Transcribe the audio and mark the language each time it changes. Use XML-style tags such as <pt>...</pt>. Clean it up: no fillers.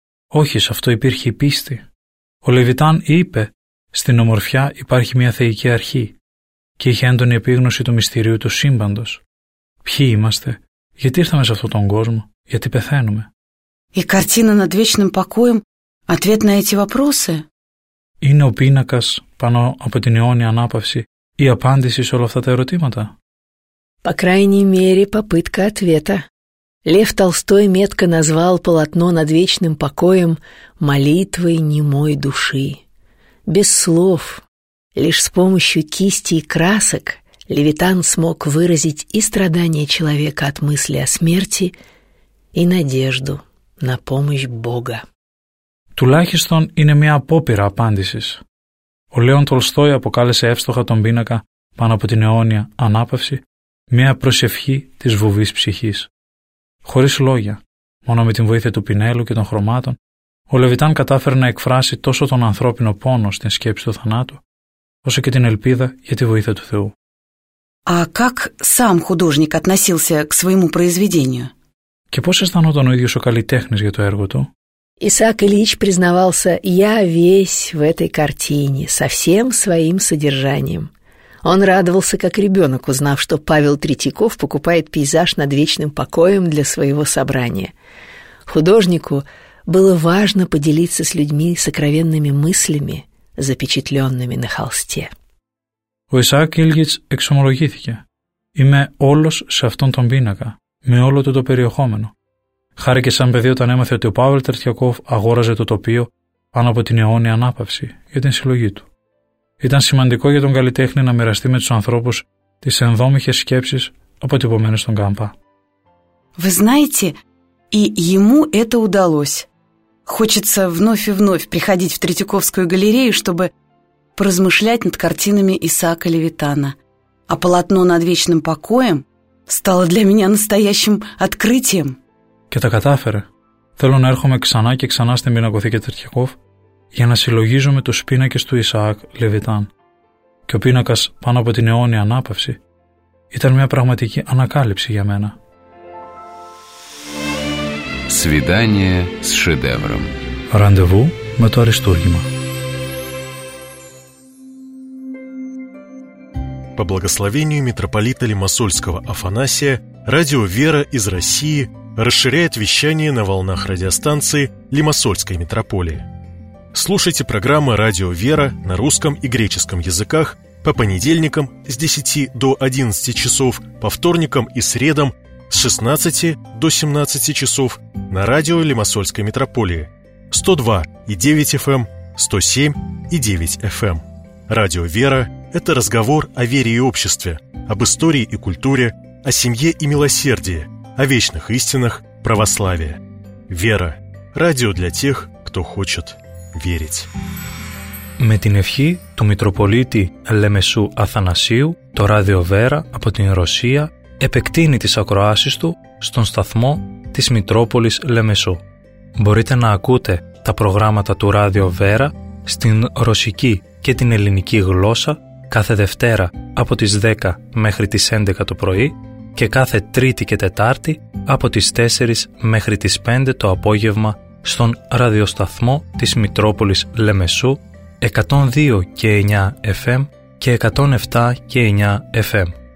<el>Όχι, σε αυτό υπήρχε πίστη. Ο Λεβιτάν είπε, στην ομορφιά υπάρχει μια θεϊκή αρχή και είχε έντονη επίγνωση του μυστηρίου του σύμπαντος. Ποιοι είμαστε, γιατί ήρθαμε σε αυτόν τον κόσμο, γιατί πεθαίνουμε.</el> <ru>Η картина над вечным покоем ответ на эти вопросы.</ru> <el>Είναι ο πίνακας πάνω από την αιώνια ανάπαυση η απάντηση σε όλα αυτά τα ερωτήματα?</el> <ru>По крайней мере, попытка ответа. Лев Толстой метко назвал полотно над вечным покоем молитвой немой души. Без слов, лишь с помощью кисти и красок, Левитан смог выразить и страдания человека от мысли о смерти, и надежду на помощь Бога.</ru> <el>Τουλάχιστον είναι μια απόπειρα απάντησης. Ο Λέων Τολστόι αποκάλεσε εύστοχα τον πίνακα πάνω από την αιώνια ανάπαυση μια προσευχή της βουβής ψυχής. Χωρίς λόγια, μόνο με την βοήθεια του πινέλου και των χρωμάτων, ο Λεβιτάν κατάφερε να εκφράσει τόσο τον ανθρώπινο πόνο στην σκέψη του θανάτου, όσο και την ελπίδα για τη βοήθεια του Θεού.</el> <ru>А как сам художник относился к своему произведению?</ru> <el>Και πώς αισθανόταν ο ίδιος ο καλλιτέχνης για το έργο του?</el> <ru>Исаак Ильич признавался: «Я весь в этой картине, со всем своим содержанием». Он радовался, как ребенок, узнав, что Павел Третьяков покупает пейзаж над вечным покоем для своего собрания. Художнику было важно поделиться с людьми сокровенными мыслями, запечатленными на холсте.</ru> <el>Ο Ισαάκ Ίλγιτς εξομολογήθηκε. «Είμαι όλος σε αυτόν τον πίνακα, με όλο το περιεχόμενο». Χάρηκε σαν παιδί όταν έμαθε ότι ο Παύλ Τερτιακόφ αγόραζε το τοπίο πάνω από την αιώνια ανάπαυση για την συλλογή του. Ήταν σημαντικό για τον καλλιτέχνη να μοιραστεί με τους ανθρώπους τις ενδόμηχες σκέψεις αποτυπωμένες στον καμβά.</el> <ru>Вы знаете, и ему это удалось. Хочется вновь и вновь приходить в Третьяковскую галерею, чтобы поразмышлять над картинами Исаака Левитана. А полотно над вечным покоем стало для меня настоящим открытием.</ru> <el>Και τα κατάφερε. Θέλω να έρχομαι ξανά και ξανά στην πινακοθήκη Τερτιακόφ για να συλλογίζομαι τους πίνακες του Ισαάκ Λεβιτάν. Και ο πίνακας πάνω από την αιώνια ανάπαυση ήταν μια πραγματική ανακάλυψη για μένα.</el> <ru>Свидание с шедевром.</ru> <el>Ραντεβού με το αριστούργημα.</el> <ru>По благословению митрополита Лимассольского Афанасия, радио «Вера» из России расширяет вещание на волнах радиостанции Лимассольской митрополии. Слушайте программы «Радио Вера» на русском и греческом языках по понедельникам с 10 до 11 часов, по вторникам и средам с 16 до 17 часов на радио Лимассольской митрополии 102.9 FM, 107.9 FM. Радио «Вера» – это разговор о вере и обществе, об истории и культуре, о семье и милосердии, о вечных истинах православия. Вера. Радио для тех, кто хочет верить.</ru> <el>Με την ευχή του Μητροπολίτη Λεμεσού Αθανασίου, το Ράδιο Βέρα από την Ρωσία επεκτείνει τις ακροάσεις του στον σταθμό της Μητρόπολης Λεμεσού. Μπορείτε να ακούτε τα προγράμματα του Ράδιο Βέρα στην ρωσική και την ελληνική γλώσσα κάθε Δευτέρα από τις 10 μέχρι τις 11 το πρωί και κάθε Τρίτη και Τετάρτη από τις 4 μέχρι τις 5 το απόγευμα στον ραδιοσταθμό της Μητρόπολης Λεμεσού 102.9 FM και 107.9 FM.</el>